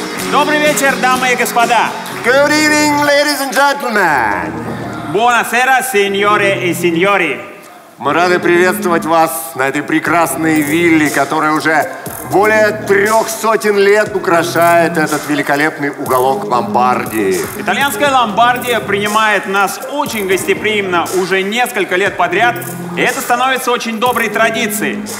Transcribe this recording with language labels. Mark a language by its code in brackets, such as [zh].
[ru] Добрый вечер, дамы и господа. [en] Good evening, ladies and gentlemen. [it] Buonasera, signore e signori. [ru] Мы рады приветствовать вас на этой прекрасной вилле, которая уже более 300 лет украшает этот великолепный уголок Ломбардии. Итальянская Ломбардия принимает нас очень гостеприимно уже несколько лет подряд, и это становится очень доброй традицией.